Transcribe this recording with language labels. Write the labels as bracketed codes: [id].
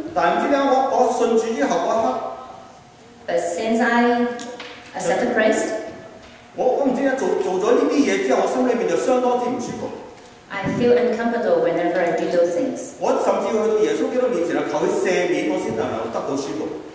[zh] 但不知道我信主之後那一刻, [en] but since I accepted Christ, [zh] 我不知道做了這些事之後, [en] I feel uncomfortable whenever I do those things. [zh] 我甚至去到耶穌基督面前求祂赦免,